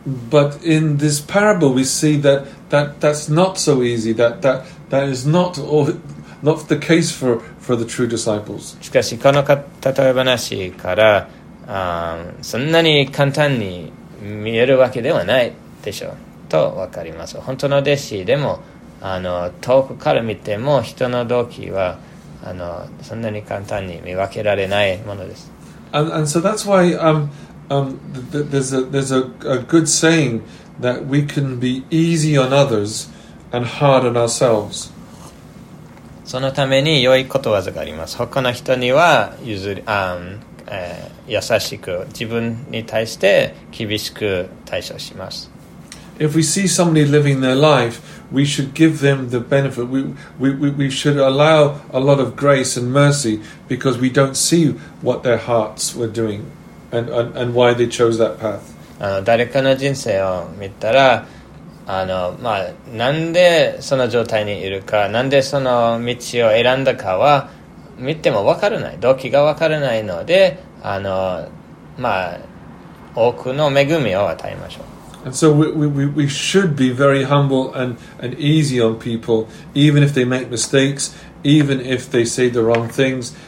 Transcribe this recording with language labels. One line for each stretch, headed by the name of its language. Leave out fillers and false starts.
English: But in this parable, we see that's not so easy. That is not all, not the case for the true disciples.
Japanese: しかしこの例え話からそんなに簡単に見えるわけではないでしょうとわかります。本当の弟子でも遠くから見ても人の動機はそんなに簡単に見分けられないものです。
English: And so that's why there's a good saying that we can be easy on others and hard on ourselves.
Japanese: そのために良いことわざがあります。他の人には優しく、自分に対して厳しく対処します。
English: If we see somebody living their life, we should give them the benefit. We should allow a lot of grace and mercy because we don't see what their hearts were doing. And why they chose that path.
Japanese: 誰かの人生を見たら、なんでその状態にいるか、なんでその道を選んだかは見ても分からない、動機が分からないので、多くの恵みを与えましょう。
English: And so we should be very humble and easy on people, even if they make mistakes, even if they say the wrong things.